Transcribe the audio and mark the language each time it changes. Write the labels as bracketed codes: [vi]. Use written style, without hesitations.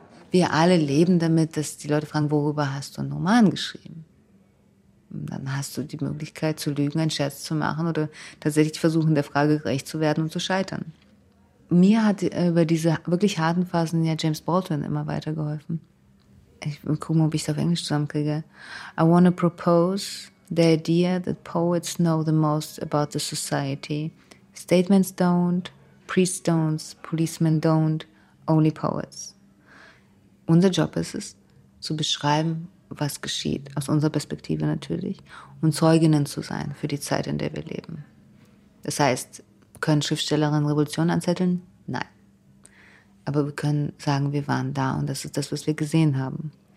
[de] Wir alle leben damit, dass die Leute fragen, worüber hast du einen Roman geschrieben? Und dann hast du die Möglichkeit zu lügen, einen Scherz zu machen oder tatsächlich versuchen, der Frage gerecht zu werden und zu scheitern. Mir hat über diese wirklich harten Phasen ja James Baldwin immer weitergeholfen. Ich gucke mal, ob ich es auf Englisch zusammenkriege. [en] I want to propose the idea that poets know the most about the society. Statements don't, priests don't, policemen don't, only poets. [de] Unser Job ist es, zu beschreiben, was geschieht, aus unserer Perspektive natürlich, und Zeuginnen zu sein für die Zeit, in der wir leben. Das heißt, können Schriftstellerinnen Revolution anzetteln? Nein. Aber wir können sagen, wir waren da und das ist das, was wir gesehen haben.